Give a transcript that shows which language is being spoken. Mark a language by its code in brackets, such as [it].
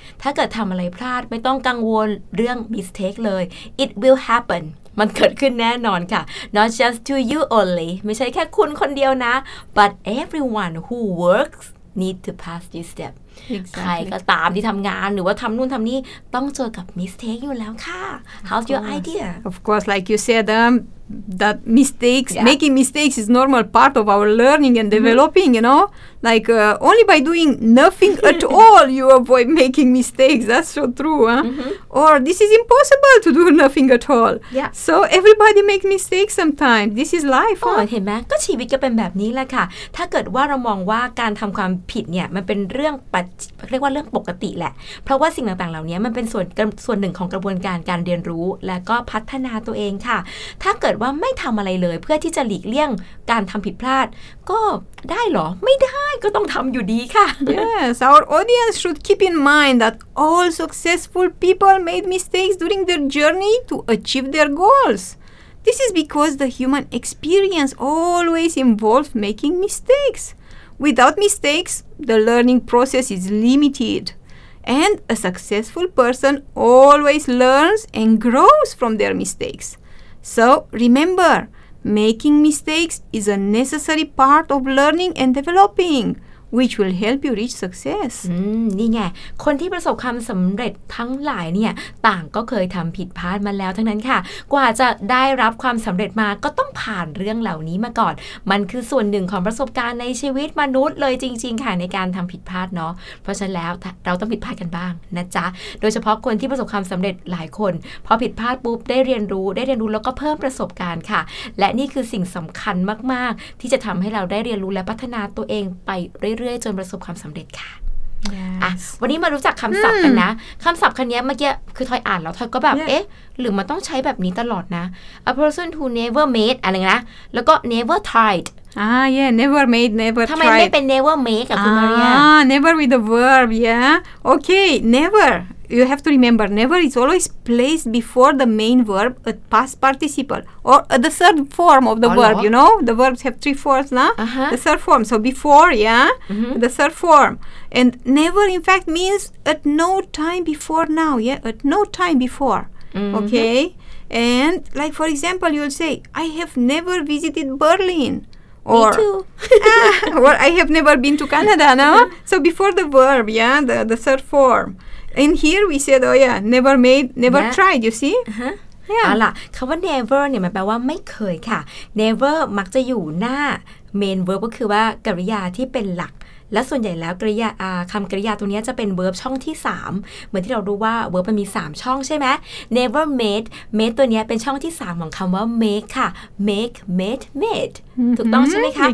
[th] ถ้าเกิดทำอะไรพลาดไม่ต้องกังวลเรื่อง mistake เลย [en] It will happen. [th] มันเกิดขึ้นแน่นอนค่ะ [en] not just to you only [th] ไม่ใช่แค่คุณคนเดียวนะ [en] but everyone who works need to pass this step. Exactly. ใครก็ตามที่ทำงานหรือว่าทำนู่นทำนี่ต้องเจอกับ mistake อยู่แล้วค่ะ How's your idea? Of course, like you said, that mistakes, yeah. making mistakes is normal part of our learning and developing, you know? Like only by doing nothing at all you avoid making mistakes. That's so true, huh? Or this is impossible to do nothing at all. Yeah. So everybody make mistakes sometimes. This is life, huh? [th] เห็นไหมก็ชีวิตก็เป็นแบบนี้แหละค่ะถ้าเกิดว่าเรามองว่าการทำความผิดเนี่ยมันเป็นเรื่องเรียกว่าเรื่องปกติแหละเพราะว่าสิ่งต่างๆเหล่านี้มันเป็นส่วนหนึ่งของกระบวนการการเรียนรู้และก็พัฒนาตัวเองค่ะถ้าเกิดว่าไม่ทำอะไรเลยเพื่อที่จะหลีกเลี่ยงการทำผิดพลาดก็ได้หรอไม่ได้ก็ต้องทำอยู่ดีค่ะ [en] Yes, our audience should keep in mind that all successful people made mistakes during their journey to achieve their goals. This is because the human experience always involves making mistakes. Without mistakes, the learning process is limited. And a successful person always learns and grows from their mistakes. So remember, making mistakes is a necessary part of learning and developing. Which will help you reach success. [th] นี่ไงคนที่ประสบความสำเร็จทั้งหลายเนี่ยต่างก็เคยทำผิดพลาดมาแล้วทั้งนั้นค่ะกว่าจะได้รับความสำเร็จมาก็ต้องผ่านเรื่องเหล่านี้มาก่อนมันคือส่วนหนึ่งของประสบการณ์ในชีวิตมนุษย์เลยจริงๆค่ะในการทำผิดพลาดเนาะเพราะฉะนั้นแล้วเราต้องผิดพลาดกันบ้างนะจ๊ะโดยเฉพาะคนที่ประสบความสำเร็จหลายคนพอผิดพลาดปุ๊บได้เรียนรู้แล้วก็เพิ่มประสบการณ์ค่ะและนี่คือสิ่งสำคัญมากๆที่จะทำให้เราได้เรียนรู้และพัฒนาตัวเองไปเรื่อยเรื่อยจนประสบความสำเร็จค่ะ [en] yes. [th] วันนี้มารู้จักคำศัพท์กันนะคำศัพท์คันนี้เมื่อกี้คือทอยอ่านแล้วทอยก็แบบ [en] yeah. [th] เอ๊ะหรือมันต้องใช้แบบนี้ตลอดนะ [en] A person who never made [th] อะไรนะแล้วก็ [en] never tried yeah never made never [th] ทำไมไม่เป็น never make กับคุณมาเรีย [en] never with the verb yeah okay never you have to remember, never is always placed before the main verb at past participle or the third form of the verb, you know? The verbs have three forms, no? The third form. So before, yeah? The third form. And never, in fact, means at no time before now, yeah? At no time before, okay? And like, for example, you'll say, I have never visited Berlin. Or, me too. Or I have never been to Canada, no? So before the verb, yeah? The third form. In here we said, oh yeah, never made, never tried, you see? [th] เอาล่ะคำว่า never เนี่ยมันแปลว่าไม่เคยค่ะ never มักจะอยู่หน้า main verb ก็คือว่ากริยาที่เป็นหลักและส่วนใหญ่แล้วกริยาคำกริยาตัวนี้จะเป็น verb ช่องที่3เหมือนที่เรารู้ว่า verb มันมี3ช่องใช่ไหม never made ตัวนี้เป็นช่องที่3ของคำว่า make ค่ะ make ถูกต้องใช่ไหมคะ